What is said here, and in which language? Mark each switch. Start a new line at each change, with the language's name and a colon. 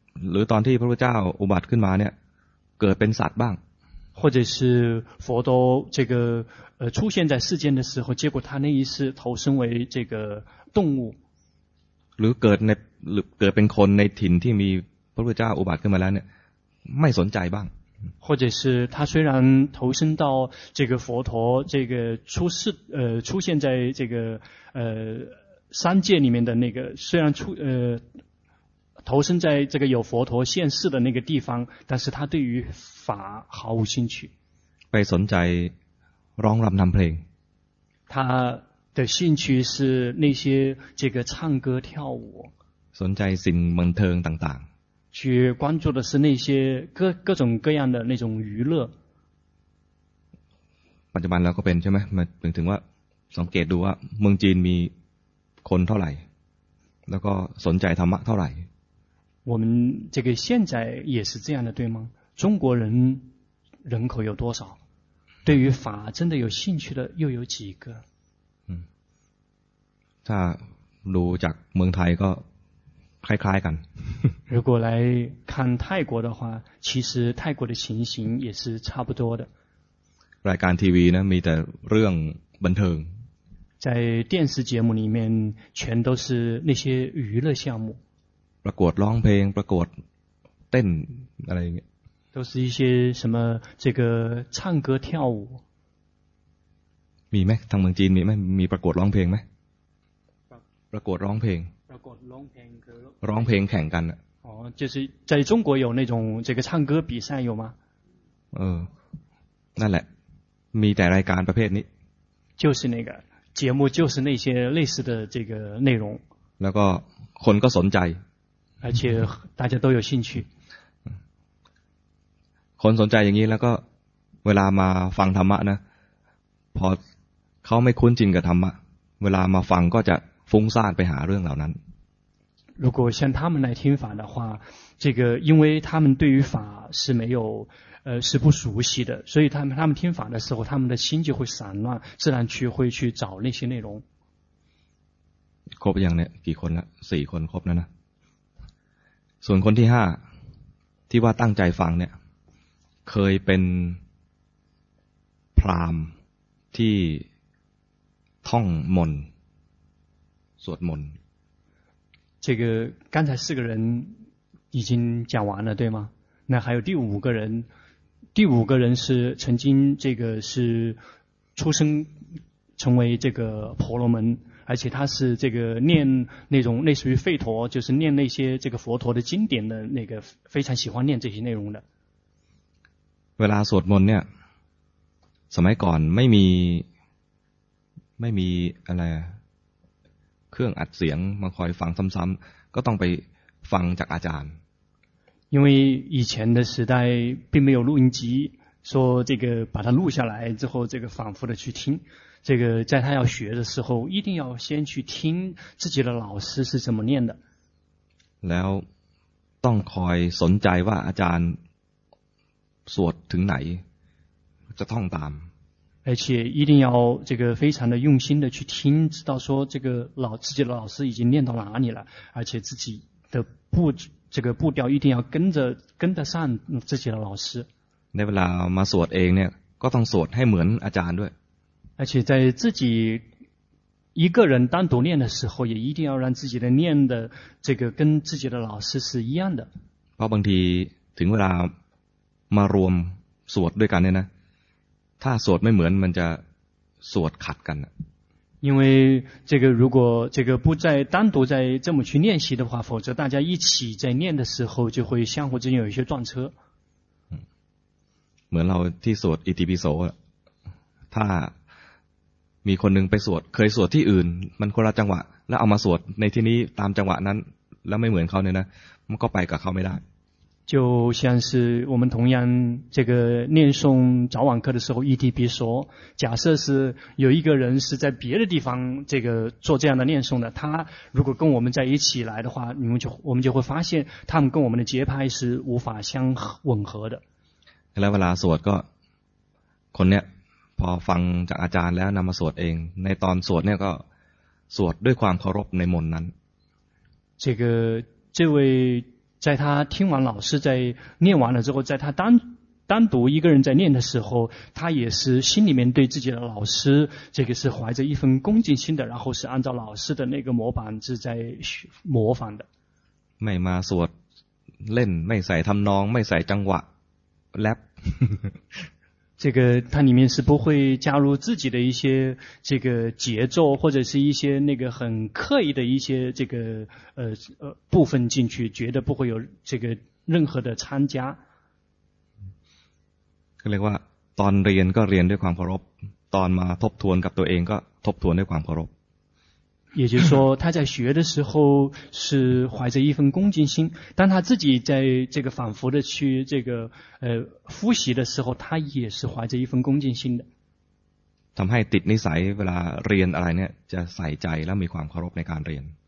Thai: หรือตอนที่พระพุทธเจ้าอุบัติขึ้นมาเนี่ยเกิดเป็นสัตว์บ้าง
Chinese: 或者是佛陀这个出现在世间的时候结果他那一世投身为这个动物
Thai: หรือเกิดในหรือเกิดเป็นคนในถิ่นที่มีพระพุทธเจ้าอุบัติขึ้นมาแล้วเนี่ยไม่สนใจบ้าง
Chinese: 或者是他虽然投身到这个佛陀这个出世出现在这个三界里面的那个虽然出投身在这个有佛陀现世的那个地方但是他对于法毫无兴趣
Thai: ไปสนใจร้องรำนำเพลง
Chinese: 他的兴趣是那些这个唱歌跳舞
Thai: สนใจสิ่งบันเทิงต่าง
Chinese: ๆ去关注的是那些各种各样的那种娱乐
Thai: ปัจจุบันเราก็เป็นใช่ไหมมาถึงว่าสังเกตดูว่าเมืองจีนมีคนเท่าไหร่แล้วก็สนใจธรรมะเท่าไหร่
Chinese: 我们这个现在也是这样的对吗中国人口有多少对于法真的有兴趣的又有几个
Thai: ถ้าดูจากเมืองไทยก็คล้ายๆกัน
Chinese: 如果来看泰国的话其实泰国的情形也是差不多的
Thai: รายการทีวีนะมีแต่เรื่องบันเทิง
Chinese: 在电视节目里面全都是那些娱乐项目
Thai: ประกวดร้องเพลงประกวดเต้นอะไรอย่างเงี้ย
Chinese: 都是一些什么这个唱歌跳舞
Thai: มีไหมทางเมืองจีนมีไหมมีประกวดร้องเพลงไหมประกวดร้องเพลง ประกวดร้องเพลงคือร้องเพลงแข่งกัน
Chinese: อ๋อ就是在中国有那种这个唱歌比赛有吗
Thai: เออนั่นแหละมีแต่รายการประเภทนี้
Chinese: 就是那个节目就是那些类似的这个内容
Thai: แล้วก็คนก็สนใจ
Chinese: 而且大家都有兴趣
Thai: คนสนใจอย่างนี้แล้วก็เวลามาฟังธรรมะนะพอเขาไม่คุ้นจินกับธรรมะเวลามาฟังก็จะฟุ้งซ่านไปหาเรื่องเหล่านั้น
Chinese: 如果像他们来听法的话这个因为他们对于法是没有是不熟悉的所以他们听法的时候他们的心就会散乱自然去会去找那些内容
Thai: ครบยังเนี่ยกี่คนละ4คนครบแล้วนะส่วนคนที่5ที่ว่าตั้งใจฟังเนี่ยเคยเป็นพราหมณ์ที่ท่องมนต์ วดมนต์
Chinese: 这个刚才四个人已经讲完了对吗那还有第五个人第五个人是曾经这个是出生成为这个婆罗门而且他是这个念那种类似于吠陀就是念那些这个佛陀的经典的那个非常喜欢念这些内容的
Thai: เวลาสวดมนต์เนี่ยสมัยก่อนไม่มีอะไรเครื่องอัดเสียงมาคอยฟังซ้ำๆก็ต้องไปฟังจากอาจารย์
Chinese: 因为以前的时代并没有录音机说这个把它录下来之后这个反复的去听这个在他要学的时候一定要先去听自己的老师是怎么念的
Thai: แล้วต้องคอยสนใจว่าอาจารย์สวดถึงไหนจะท่องตาม
Chinese: 而且一定要这个非常的用心的去听知道说这个老自己的老师已经念到哪里了而且自己的步这个步调一定要跟得上自己的老师
Thai: ในเวลามาสวดเองเนี่ยก็ต้องสวดให้เหมือนอาจารย์ด้วย
Chinese: 而且在自己一个人单独念的时候也一定要让自己的念的这个跟自己的老师是一样的
Thai: เพราะบางทีถึงเวลามารวมสวดด้วยกันเนี่ยนะถ้าสวดไม่เหมือนมันจะสวดขัดกัน
Chinese: เพราะ这个如果这个不再单独在这么去练习的话否则大家一起在念的时候就会相互之间有一些撞车
Thai: เหมือนเราที่สวดอิติปิโสถ้ามีคนหนึ่งไปสวดเคยสวดที่อื่นมันคนละจังหวะแล้วเอามาสวดในที่นี้ตามจังหวะนั้นแล้วไม่เหมือนเขาเนี่ยนะมันก็ไปกับเขาไม่ได้
Chinese: 就像是我们同样这个念诵早晚课的时候一提别说假设是有一个人是在别的地方这个做这样的念诵的他如果跟我们在一起来的话我们就会发现他们跟我们的节拍是无法相吻合的
Thai: แล้วเวลาสวดก็คนเนี้ยพอฟังจากอาจารย์แล้วนำมาสวดเองในตอนสวดเนี้ยก็สวดด้วยความเคารพในมนต์นั้น
Chinese: 这位在他听完老师在念完了之后在他 单独一个人在念的时候他也是心里面对自己的老师这个是怀着一份恭敬心的然后是按照老师的那个模板是在模仿的
Thai: ไม่มาสวดเล่นไม่ใส่ทำนองไม่ใส่จังหวะแรป
Chinese: 这个它里面是不会加入自己的一些这个节奏或者是一些那个很刻意的一些这个部分进去觉得不会有这个任何的参加
Thai: ก็เรียกว่าตอนเรียนก็เรียนด้วยความเคารพตอนมาทบทวนกับตัวเองก็ทบทวนด้วยความเคารพ
Chinese: 也就是说他在学的时候是怀着一份恭敬心当他自己在这个反复的去这个复习的时候他也是怀着一份恭敬心的
Thai: ทำให้ติดนิสัยเวลาเรียนอะไรเนี่ยจะใส่ใจและมีความเคารพในการเรียน